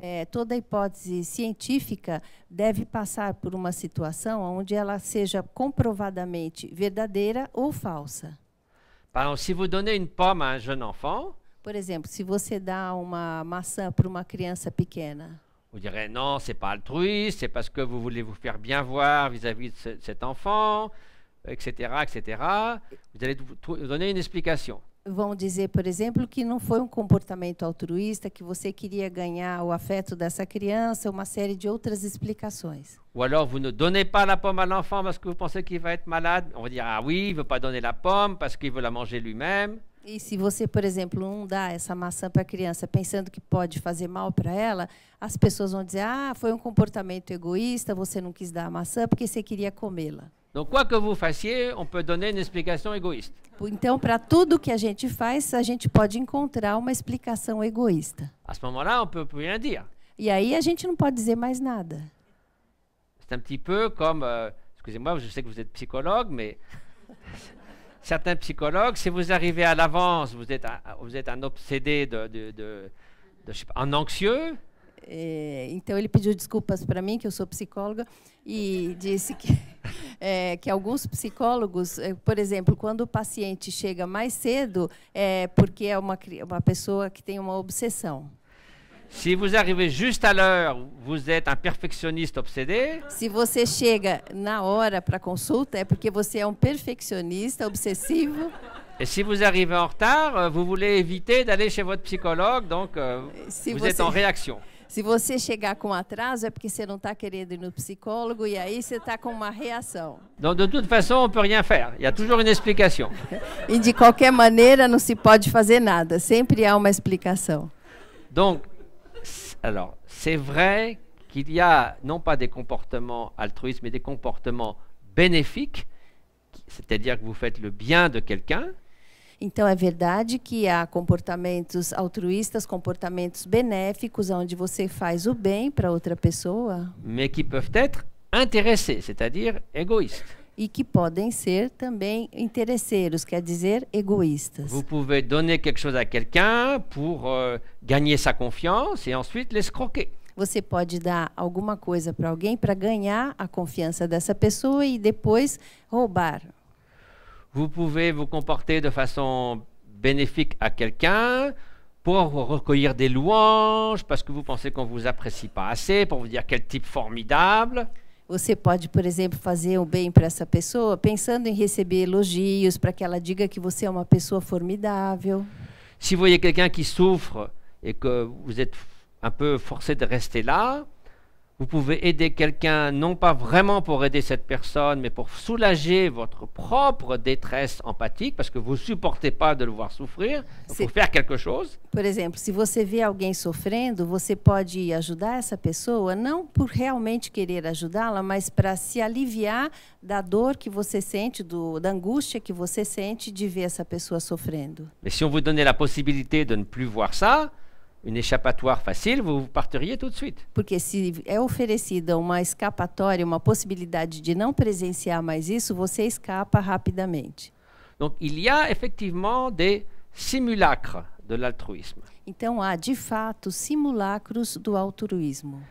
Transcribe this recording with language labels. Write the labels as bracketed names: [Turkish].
[Portuguese] Toda hipótese científica deve passar por uma situação onde ela seja comprovadamente verdadeira ou falsa. [French] Par exemple, si vous donnez une pomme à un jeune enfant, [Portuguese] por exemplo, se você dá uma maçã para uma criança pequena, [French] vous direz non, c'est pas altruiste, c'est parce que vous voulez vous faire bien voir vis-à-vis de cet enfant, etc., etc. Vous allez donner une explication. [Portuguese] Vão dizer, por exemplo, que não foi um comportamento altruísta, que você queria ganhar o afeto dessa criança, uma série de outras explicações. [French] Ou alors vous ne donnez pas la pomme à l'enfant parce que vous pensez qu'il va être malade. On va dire ah oui, il veut pas donner la pomme parce qu'il veut la manger lui-même. [Portuguese] E se você, por exemplo, não dá essa maçã para a criança pensando que pode fazer mal para ela, as pessoas vão dizer: "Ah, foi um comportamento egoísta, você não quis dar a maçã porque você queria comê-la." [French] Donc quoi que vous fassiez, on peut donner une explication égoïste. [Portuguese] Então, para tudo que a gente faz, a gente pode encontrar uma explicação egoísta. [French] À ce moment-là, on peut plus rien dire. [Portuguese] E aí a gente não pode dizer mais nada. [French] C'est un petit peu comme, excusez-moi, je sais que vous êtes psychologue, mais certains psychologues, si vous arrivez à l'avance, vous êtes un obsédé de je sais pas, un anxieux. [Portuguese] Então ele pediu desculpas para mim, que eu sou psicóloga, e disse que alguns psicólogos, por exemplo, quando o paciente chega mais cedo, é porque é uma pessoa que tem uma obsessão. [French] Si vous arrivez juste à l'heure, vous êtes un perfectionniste obsédé. [Portuguese] Se você chega na hora para consulta, é porque você é um perfeccionista obsessivo. [French] Et si vous arrivez en retard, vous voulez éviter d'aller chez votre psychologue, donc vous êtes en réaction. [Portuguese] Se você chegar com atraso, é porque você não está querendo ir no psicólogo, e aí você está com uma reação. [French] Donc, de toute façon, on peut rien faire. Il y a toujours une explication. [Portuguese] E de qualquer maneira, não se pode fazer nada. Sempre há uma explicação. [French] Donc, alors, c'est vrai qu'il y a non pas des comportements altruistes, mais des comportements bénéfiques, c'est-à-dire que vous faites le bien de quelqu'un. [Portuguese] Então, é verdade que há comportamentos altruístas, comportamentos benéficos, onde você faz o bem para outra pessoa. Mas que podem ser [French] interessés, c'est-à-dire [Portuguese] egoístas. E que podem ser também interesseiros, quer dizer, egoístas. [French] Vous pouvez donner quelque chose à quelqu'un pour gagner sa confiance et ensuite l'escroquer. [Portuguese] Você pode dar alguma coisa para alguém para ganhar a confiança dessa pessoa e depois roubar. [French] Vous pouvez vous comporter de façon bénéfique à quelqu'un pour recueillir des louanges parce que vous pensez qu'on vous apprécie pas assez pour vous dire quel type formidable. [Portuguese] Você pode, por exemplo, fazer o bem para essa pessoa pensando em receber elogios para que ela diga que você é uma pessoa formidável. [French] Si vous voyez quelqu'un qui souffre et que vous êtes un peu forcé de rester là, vous pouvez aider quelqu'un, non pas vraiment pour aider cette personne, mais pour soulager votre propre détresse empathique, parce que vous ne supportez pas de le voir souffrir, pour faire quelque chose. [Portuguese] Por exemplo, se você vê alguém sofrendo, você pode ajudar essa pessoa, não por realmente querer ajudá-la, mas para se aliviar da dor que você sente, da angústia que você sente de ver essa pessoa sofrendo. [French] Mais si on vous donnait la possibilité de ne plus voir ça, une échappatoire facile, vous partiriez tout de suite. [Portuguese] Porque se é oferecida uma escapatória, uma possibilidade de não presenciar mais isso, você escapa rapidamente. [French] Donc il y a effectivement des simulacres de l'altruisme. [Portuguese] Então há de fato simulacros do altruísmo.